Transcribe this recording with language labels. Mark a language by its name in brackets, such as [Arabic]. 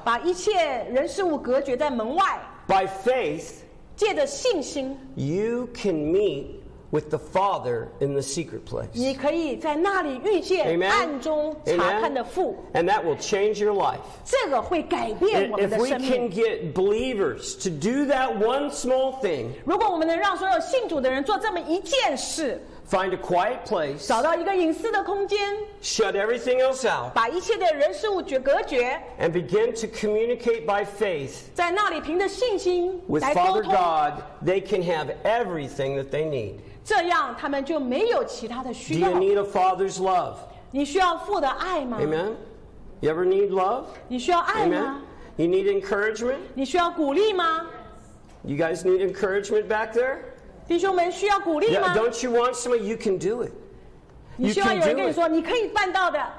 [Chinese] 把一切人事物隔绝在门外， [English] by faith, [Chinese] 借着信心， [English] you can meet with the Father in the secret place. [Chinese] 你可以在那里遇见暗中查看的父。 [English] Amen? And that will change your life. [Chinese] 这个会改变我们的生命。 [English] If we can get believers to do that one small thing, [Chinese] 如果我们能让所有信主的人做这么一件事， [English] find a quiet place, [Chinese] 找到一个隐私的空间， [English] shut everything else out, [Chinese] 把一切的人事物隔绝， [English] and begin to communicate by faith, [Chinese] 在那里凭着信心来沟通， [English] with Father God, they can have everything that they need. [Chinese] 这样他们就没有其他的需要。 [English] Do you need a father's love? [Chinese] 你需要父的爱吗？ [English] Amen. You ever need love? [Chinese] 你需要爱吗？ [English] Amen. You need encouragement? [Chinese] 你需要鼓励吗？ [English] You guys need encouragement back there? [Chinese] 弟兄们需要鼓励吗？ [English] Yeah, don't you want somebody? You can do it. You can do it. [Chinese] 你需要有人跟你说你可以办到的。